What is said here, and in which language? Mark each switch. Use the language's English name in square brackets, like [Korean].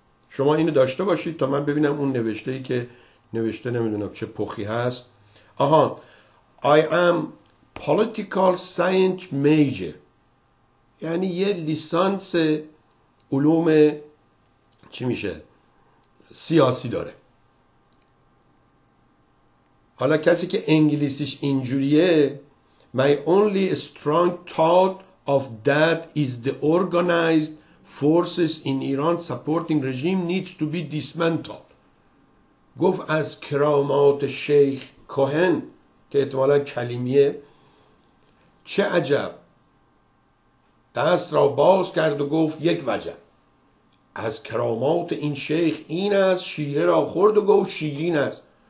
[Persian] شما اینو داشته باشید تا من ببینم اون نوشته‌ای که نوشته نمیدونم چه پخی هست. آها [English] I am political science major، [Persian] یعنی یه لیسانس علوم چی میشه سیاسی داره. حالا کسی که انگلیسیش اینجوریه، [English] My only strong thought of that is the organized forces in Iran supporting regime needs to be dismantled. [Persian] گفت از کرامات شیخ کوهن که احتمالا کلیمیه، چه عجب، دست را باز کرد و گفت یک وجب، از کرامات این شیخ این است، شیره را خورد و گفت شیرین است.